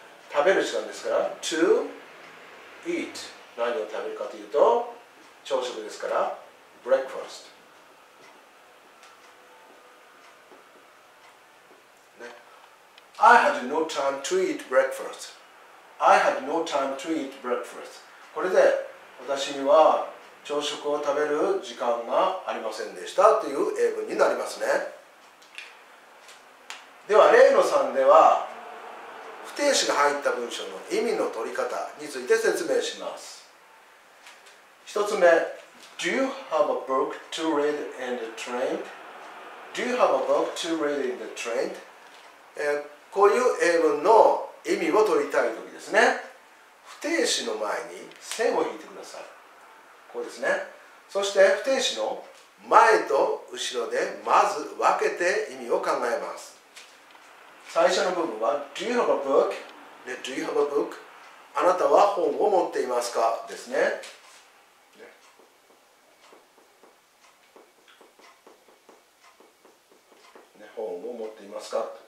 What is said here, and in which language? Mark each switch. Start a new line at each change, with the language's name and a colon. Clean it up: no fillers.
Japanese: 食べる時間ですから
English: to eat、
Japanese: 何を食べるかというと朝食ですから breakfast、
English: I had no time to eat breakfast、 I had no time to eat breakfast、
Japanese: これで私には朝食を食べる時間がありませんでしたという英文になりますね。では例の3では、不定詞が入った文章の意味の取り方について説明します。
English: 1つ目、 Do you have a book to read in the train? Do you have a book to read in the train?
Japanese: こういう英文の意味を取りたいときですね。不定詞の前に線を引いてください。こうですね。そして不定詞の前と後ろでまず分けて意味を考えます。最初の部分は
English: Do you have a book? Do you have a book?
Japanese: あなたは本を持っていますかですね。本を持っていますか。